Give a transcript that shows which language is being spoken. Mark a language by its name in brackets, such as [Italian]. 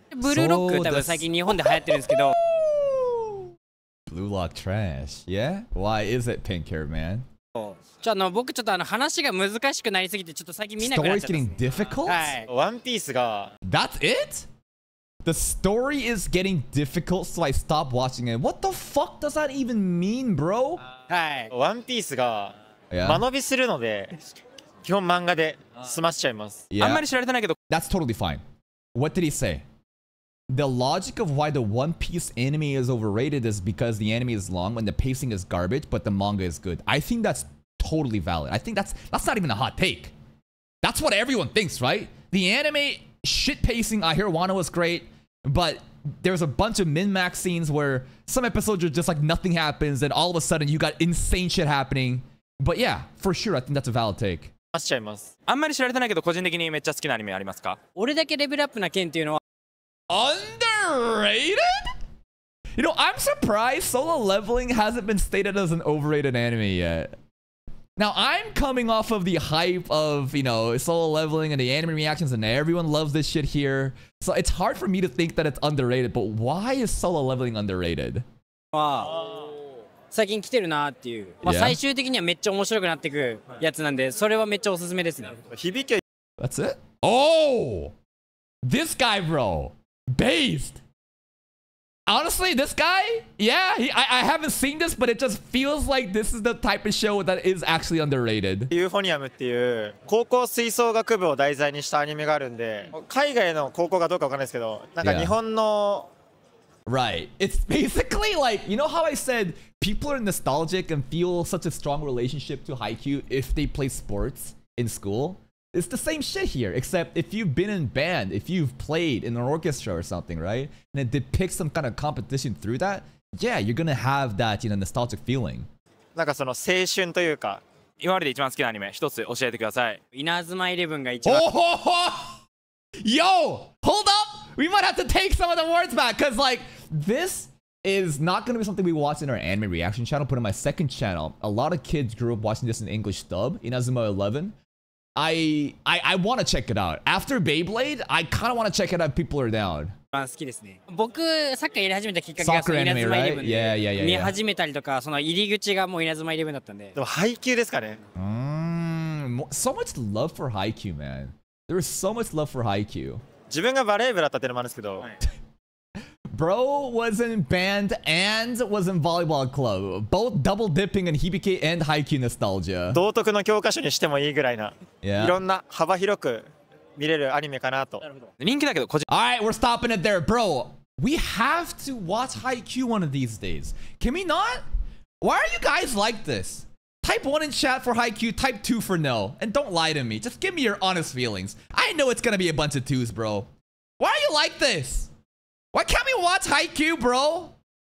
[Japanese] ブルーロック、多分最近日本で流行ってるんですけど。 [English] ブルーロックトラッシュ、yeah? Why is it pink hair, man? [Japanese] ちょっと僕ちょっと話が難しくなりすぎてちょっと最近見なくなっちゃった。 [English] Story is getting difficult? [Japanese] はい。ワンピースが。 [English] That's it? The story is getting difficult, so I stopped watching it. What the fuck does that even mean, bro? [Japanese] はい。ワンピースが間延びするので、基本漫画で済ましちゃいます。あんまり知られてないけど。 [English] That's totally fine. What did he say? The logic of why the One Piece anime is overrated is because the anime is long and the pacing is garbage, but the manga is good. I think that's totally valid. I think that's not even a hot take. That's what everyone thinks, right? The anime, shit pacing, I hear Wano is great, but there's a bunch of min-max scenes where some episodes are just like nothing happens and all of a sudden you got insane shit happening. But yeah, for sure, I think that's a valid take. [Japanese] あんまり知られてないけど、個人的にめっちゃ好きなアニメありますか？俺だけレベルアップな剣っていうのは [English] Underrated? You know, I'm surprised Solo Leveling hasn't been stated as an overrated anime yet. Now, I'm coming off of the hype of, you know, Solo Leveling and the anime reactions, and everyone loves this shit here. So it's hard for me to think that it's underrated, but why is Solo Leveling underrated? Wow. [Japanese] 最近来てるなっていう、まあ、最終的にはめっちゃ面白くなってくやつなんでそれはめっちゃおすすめですね響け [English] That's it? Oh! This guy bro! Based! Honestly this guy? Yeah! I haven't seen this but it just feels like this is the type of show that is actually underrated [Japanese] Euphonium っていう高校吹奏楽部を題材にしたアニメがあるんで海外の高校がどうかわかんないですけどなんか日本の、yeah. [English] Right. It's basically like, you know how I said people are nostalgic and feel such a strong relationship to Haikyuu if they play sports in school? It's the same shit here, except if you've been in band, if you've played in an orchestra or something, right? And it depicts some kind of competition through that, yeah, you're gonna have that, you know, nostalgic feeling. [Japanese] なんかその青春というか、今までで一番好きなアニメ、一つ教えてください。稲妻11が一番。 [English] ほほほ!Yo! Hold up! We might have to take some of the words back, because like, this is not going to be something we watch in our anime reaction channel, but in my second channel, a lot of kids grew up watching this in English dub, Inazuma 11. I want to check it out. After Beyblade, I kind of want to check it out if people are down. Soccer anime, right? Yeah. So much love for Haikyuu, man. There is so much love for Haikyuu. [Japanese] 自分がバレー部だったっていうのもあるんですけど。 [English] Bro, Bro was in band and was in volleyball club. Both double dipping in Hibike and Haikyuu nostalgia. [Japanese] 道徳の教科書にしてもいいぐらいな。いろんな幅広く見れるアニメかなと。人気だけど、 [English] Alright, we're stopping it there, bro. We have to watch Haikyuu one of these days. Can we not? Why are you guys like this? Type 1 in chat for Haikyuu, type 2 for no. And don't lie to me. Just give me your honest feelings. I know it's gonna be a bunch of twos, bro. Why are you like this? Why can't we watch Haikyuu, bro?